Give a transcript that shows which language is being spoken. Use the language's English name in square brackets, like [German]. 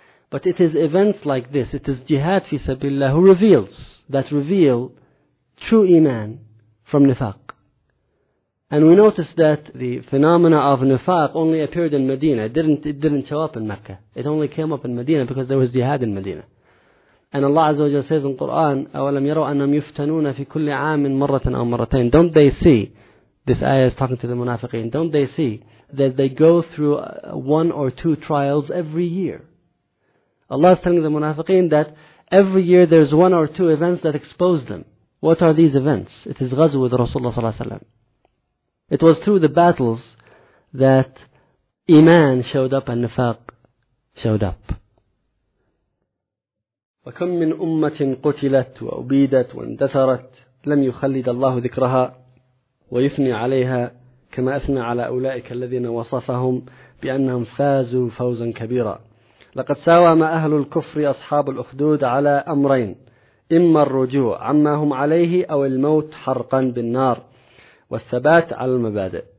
[English] But it is events like this, it is jihad fi sabillah who reveals, that reveal true iman from nifaq. And we notice that the phenomena of nifaq only appeared in Medina. It didn't show up in Mecca. It only came up in Medina because there was jihad in Medina. And Allah Azza wa Jalla says in Quran, [Arabic] أَوَلَمْ يَرَوْا أَنَّمْ يُفْتَنُونَ فِي كُلِّ عَامٍ مَرَّةً أَوْ مَرَّتَيْنَ. [English] Don't they see, this ayah is talking to the munafiqeen, don't they see that they go through one or two trials every year? Allah is telling the munafiqeen that every year there's one or two events that expose them. What are these events? It is ghazw with Rasulullah sallallahu alaihi wasallam. It was through the battles that iman showed up and nifaq showed up. [Arabic] وَكَمْ مِنْ أُمَّةٍ قُتِلَتْ وَأُبِيدَتْ وَانْدَثَرَتْ لَمْ يُخَلِّدَ اللَّهُ ذِكْرَهَا وَيُثْنِي عَلَيْهَا كما أثنى على أولئك الذين وصفهم بأنهم فازوا فوزا كبيرا. لقد ساوم أهل الكفر أصحاب الأخدود على أمرين: إما الرجوع عما هم عليه أو الموت حرقا بالنار، والثبات على المبادئ.